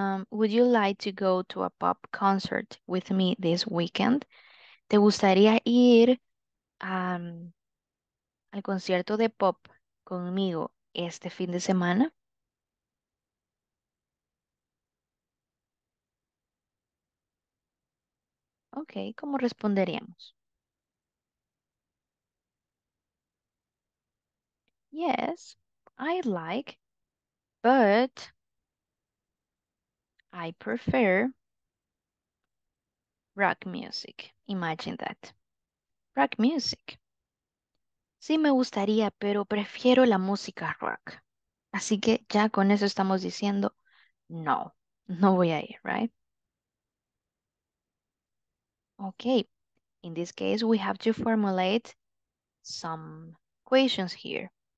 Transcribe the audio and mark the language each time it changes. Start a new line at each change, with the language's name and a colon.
English: Would you like to go to a pop concert with me this weekend?
Spanish: ¿Te gustaría ir al concierto de pop conmigo este fin de semana? Okay, ¿cómo responderíamos?
English: Yes, I'd like, but I prefer rock music. Imagine that. Rock music.
Spanish: Sí me gustaría, pero prefiero la música rock. Así que ya con eso estamos diciendo, no, no voy a ir, right?
English: Okay, in this case, we have to formulate some questions here.